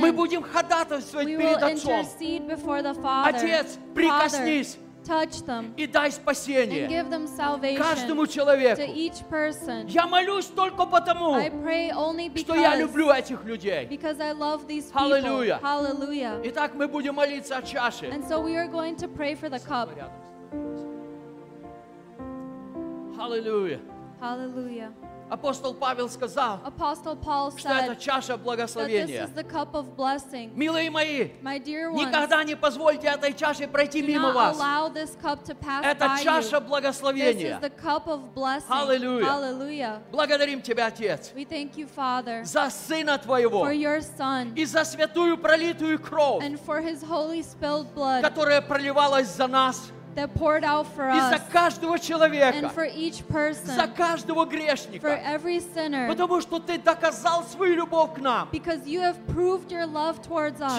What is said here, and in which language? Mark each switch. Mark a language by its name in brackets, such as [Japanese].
[Russian] Мы будем ходатайствовать перед Отцом. [English] We will intercede before the Father. [Russian] Отец, прикоснись. [English] Father, Touch them [Russian] и дай спасение [English] and give them salvation [Russian] каждому человеку. [English] To each person. [Russian] Я молюсь только потому, [English] I pray only because, [Russian] что я люблю этих людей. [English] Because I love these people. Hallelujah. Hallelujah. [Russian] Итак, мы будем молиться о чаше. [English] And so we are going to pray for the cup. Hallelujah. Hallelujah. [Russian] Апостол Павел сказал, [English] Apostle Paul [Russian] что [English] said, [Russian] это чаша благословения. [English] This is the cup of blessing. [Russian] Милые мои, [English] My dear ones, [Russian] никогда не позвольте этой чаше пройти мимо вас. [English] Allow this cup to pass [Russian] это [English] by [Russian] чаша [English] you. [Russian] Благословения. [English] This is the cup of blessing. Hallelujah. Hallelujah. [Russian] Благодарим Тебя, Отец, [English] We thank you, Father, [Russian] за Сына Твоего [English] for your son, [Russian] и за святую пролитую кровь, [English] and for his holy spilled blood, [Russian] которая проливалась за нас [English] That poured out for [Russian] и за каждого человека, [English] and for each person, [Russian] за каждого грешника, [English] for every sinner, [Russian] потому что Ты доказал свою любовь к нам, [English] because you have proved your love towards us,